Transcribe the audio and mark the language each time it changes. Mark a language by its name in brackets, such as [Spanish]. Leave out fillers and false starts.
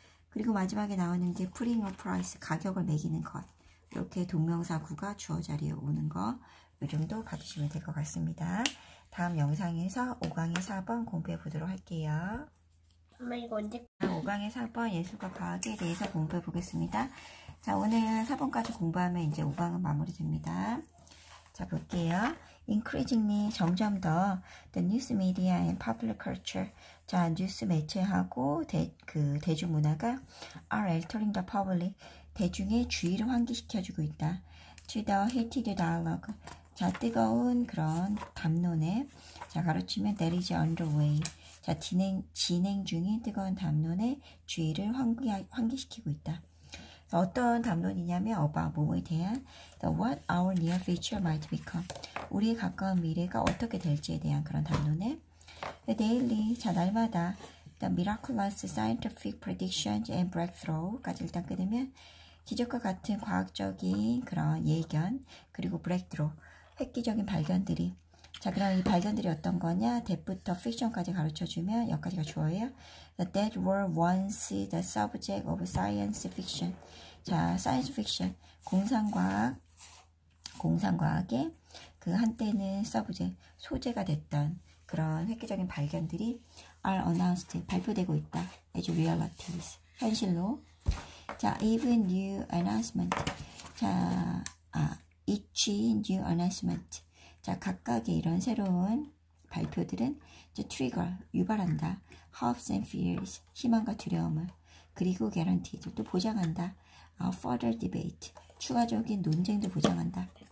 [Korean] 그리고 마지막에 나오는 게 [English] putting a price [Korean] 가격을 매기는 것 이렇게 동명사구가 주어 자리에 오는 거 이 정도 봐주시면 될것 같습니다. 다음 영상에서 5강의 4번 공부해 보도록 할게요. 엄마 이거 언제? 5강의 4번 예술과 과학에 대해서 공부해 보겠습니다. 자, 오늘 4번까지 공부하면 이제 5강은 마무리됩니다. 자, 볼게요. [English] Increasingly, [Korean] 점점 더, [English] the news media and public culture. [Korean] 자, 뉴스 매체하고 대중문화가 [English] are altering the public. [Korean] 대중의 주의를 환기시켜주고 있다. [English] To the heated dialogue. 자, [Korean] 뜨거운 그런 담론에. [English] 자, 가로치면 that is underway. [Korean] 자, 진행 중인 뜨거운 담론에 주의를 환기시키고 있다. 어떤 담론이냐면 about 뭐뭐에 대한 [English] the what our near future might become [Korean] 우리의 가까운 미래가 어떻게 될지에 대한 그런 담론에 the daily 자 날마다 [English] the miraculous scientific predictions and breakthrough [Korean] 까지 일단 끊으면 기적과 같은 과학적인 그런 예견 그리고 breakthrough 획기적인 발견들이 자 그럼 이 발견들이 어떤 거냐 that부터 fiction까지 가르쳐주면 여기까지가 주어예요 [English] that were once the subject of science fiction [Korean] 자, science fiction, 공상과학의 그 한때는 소재가 됐던 그런 획기적인 발견들이 [English] are announced, [Korean] 발표되고 있다. [English] as realities, [Korean] 현실로. [English] 자, even new announcement. 자, each new announcement. [Korean] 자, 각각의 이런 새로운 발표들은 trigger, 유발한다. [English] hopes and fears, [Korean] 희망과 두려움을. 그리고 guaranteed, 또 보장한다. [English] further debate [Korean] 추가적인 논쟁도 보장한다.